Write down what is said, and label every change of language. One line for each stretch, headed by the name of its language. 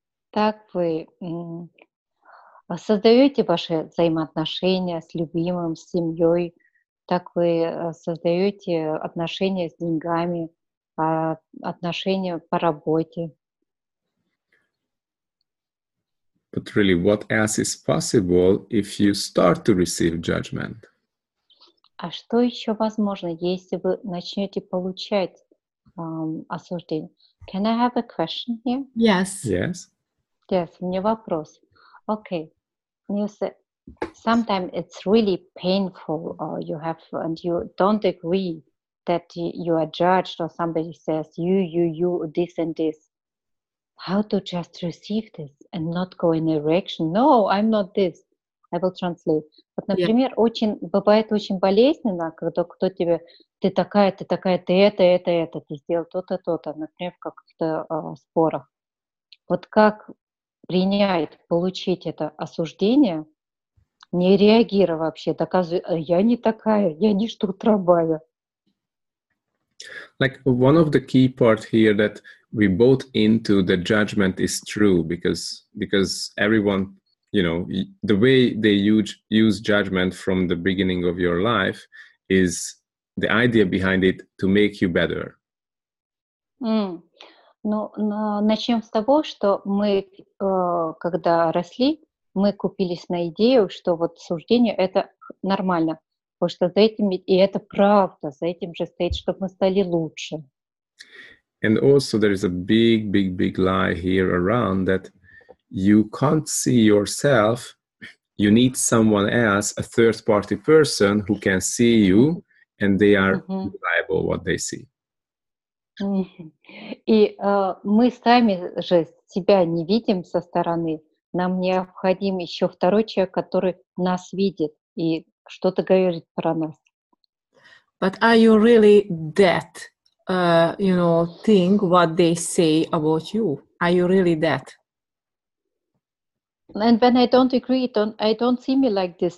Russian: Так вы создаете ваши взаимоотношения с любимым, с семьей, так вы создаете отношения с деньгами, отношения по работе.
English: But really, what else is possible if you start to receive judgment?
Russian: А что еще возможно, если вы начнете получать осуждение?
English: Can I have a question here? Yes. Yes. Yes,
Russian: у меня вопрос.
English: Okay. You said sometimes it's really painful, or you have, and you don't agree that you are judged, or somebody says you, this and this. How to just receive this and not go in a reaction? No, I'm not this. I will translate.
Russian: Вот, например,
English: yeah.
Russian: Бывает очень болезненно, когда кто тебе, ты такая, ты это, ты сделал то-то, например, в каких-то спорах. Вот как принять, получить это осуждение, не реагируя вообще, доказывая, я не такая, я не штурмовая.
English: Like one of the key parts here that we bought into the judgment is true because everyone, you know, the way they use judgment from the beginning of your life is the idea behind it to make you better.
Russian: Ну, начнем с того, что мы, когда росли, мы купились на идею, что вот суждение — это нормально. Потому что за этим, и это правда, за этим же стоит, чтобы мы стали лучше.
English: And also there is a big, big, big lie here around that you can't see yourself, you need someone else, a third party person who can see you, and they are reliable what they see.
Russian: И мы сами же себя не видим со стороны, нам необходим еще второй человек, который нас видит и что-то говорит про нас.
English: But are you really that, you know, thing what they say about you? Are you really that? And when I don't agree, I don't see me like this.